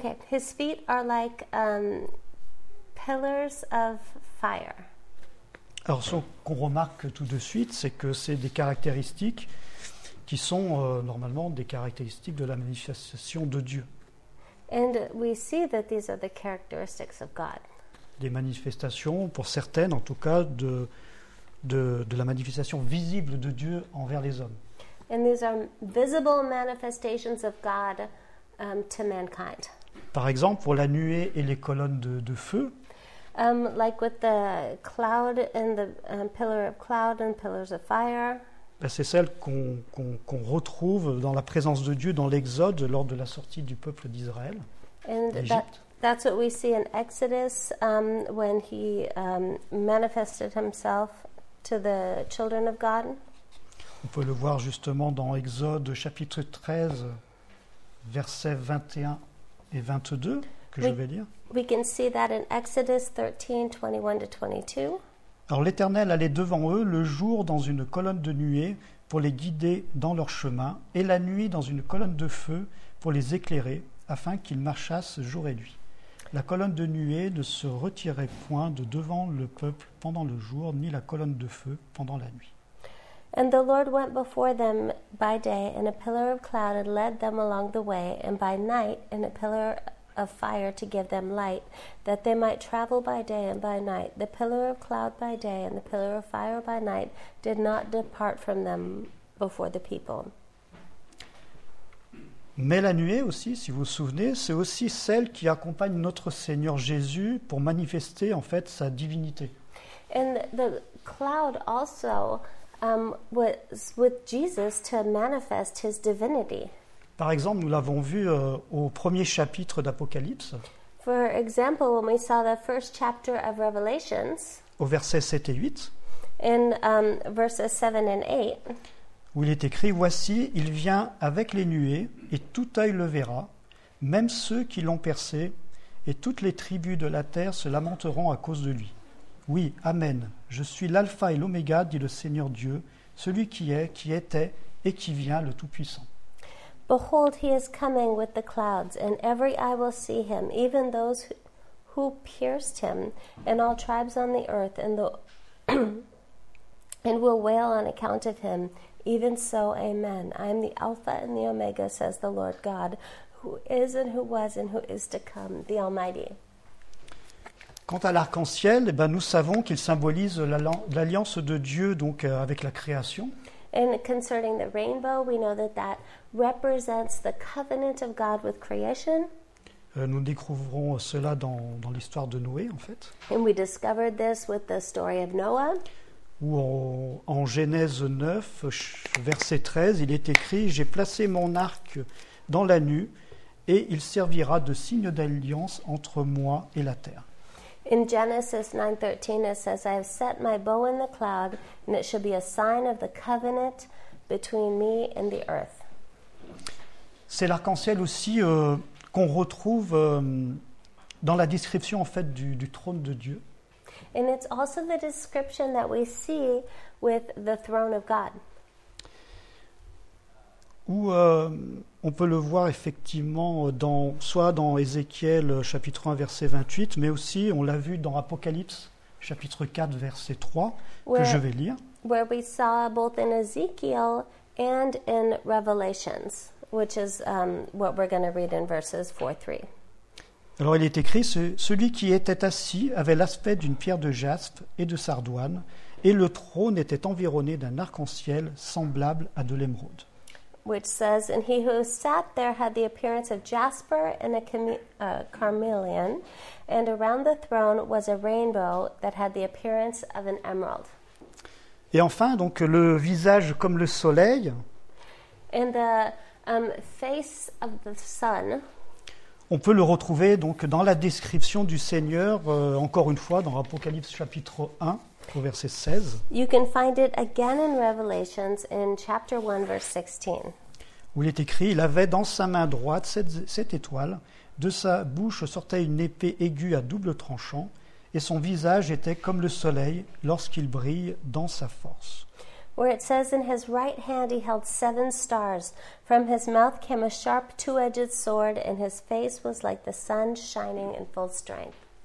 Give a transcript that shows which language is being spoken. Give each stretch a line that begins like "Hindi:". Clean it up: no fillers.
English: His feet are like pillars of fire.
French: Alors, ce qu'on remarque tout de suite, c'est que c'est des caractéristiques qui sont normalement des caractéristiques de la manifestation de Dieu.
English: And we see that these are the characteristics of God.
French: Des manifestations, pour certaines en tout cas, de la manifestation visible de Dieu envers les hommes.
English: And these are visible manifestations of God. To mankind.
French: Par exemple, pour la nuée et les colonnes de feu.
English: Like with the cloud and the pillar of cloud and pillars of fire.
French: Ben c'est celle qu'on retrouve dans la présence de Dieu dans l'Exode lors de la sortie du peuple d'Israël.
English: And that's what we see in Exodus when he manifested himself to the children of God.
French: On peut le voir justement dans Exode chapitre 13. Versets 21 et 22 je vais lire.
English: We can see that in Exodus 13, 21 to 22.
French: Alors l'Éternel allait devant eux le jour dans une colonne de nuée pour les guider dans leur chemin et la nuit dans une colonne de feu pour les éclairer afin qu'ils marchassent jour et nuit. La colonne de nuée ne se retirait point de devant le peuple pendant le jour ni la colonne de feu pendant la nuit.
English: And the Lord went before them by day in a pillar of cloud and led them along the way, and by night in a pillar of fire to give them light, that they might travel by day and by night. The pillar of cloud by day and the pillar of fire by night did not depart from them before the people.
French: Mais la nuée aussi, si vous vous souvenez, c'est aussi celle qui accompagne notre Seigneur Jésus pour manifester en fait sa divinité.
English: And the cloud also was with Jesus to manifest his divinity.
French: Par exemple, nous l'avons vu au premier chapitre d'Apocalypse.
English: For example, when we saw the first chapter of Revelations.
French: Au verset 7 et 8.
English: In verses 7 and 8.
French: Où il est écrit, voici, il vient avec les nuées, et tout œil le verra, même ceux qui l'ont percé, et toutes les tribus de la terre se lamenteront à cause de lui. Oui, amen. Je suis l'alpha et l'oméga, dit le Seigneur Dieu, celui qui est, qui était et qui vient, le Tout-Puissant.
English: Behold, he is coming with the clouds, and every eye will see him, even those who pierced him, and all tribes on the earth, and the and will wail on account of him. Even so, amen. I am the Alpha and the Omega, says the Lord God, who is and who was and who is to come, the Almighty.
French: Quant à l'arc-en-ciel, eh ben nous savons qu'il symbolise l'alliance de Dieu donc avec la création.
English: And concerning the rainbow, we know that that represents the covenant of God with creation.
French: Nous découvrons cela dans l'histoire de Noé, en fait.
English: And we discovered this with the story of Noah.
French: Où en Genèse 9, verset 13, il est écrit « J'ai placé mon arc dans la nue et il servira de signe d'alliance entre moi et la terre. »
English: In Genesis 9:13, it says, I have set my bow in the cloud, and it shall be a sign of the covenant between me and the earth.
French: C'est l'arc-en-ciel aussi qu'on retrouve dans la description, en fait, du trône de Dieu.
English: And it's also the description that we see with the throne of God.
French: Où on peut le voir effectivement soit dans Ézéchiel chapitre 1 verset 28, mais aussi on l'a vu dans Apocalypse chapitre 4 verset 3 que je vais lire.
English: Where we saw both in Ezekiel and in Revelations, which is what we're going to read in verses 4-3.
French: Alors il est écrit celui qui était assis avait l'aspect d'une pierre de jaspe et de sardoine, et le trône était environné d'un arc-en-ciel semblable à de l'émeraude.
English: Which says, and he who sat there had the appearance of jasper and a carnelian, and around the throne was a rainbow that had the appearance of an emerald.
French: Et enfin, donc le visage comme le soleil.
English: And the face of the sun.
French: On peut le retrouver donc dans la description du Seigneur, encore une fois, dans Apocalypse chapitre 1. Au verset 16.
English: You can find it again in Revelations in chapter 1 verse 16.
French: Où il est écrit, il avait dans sa main droite sept étoiles, de sa bouche sortait une épée aiguë à double tranchant, et son visage était comme le soleil lorsqu'il brille dans sa force.
English: Where it says in his right hand he held seven stars, from his mouth came a sharp two-edged sword, and his face was like the sun shining in full strength.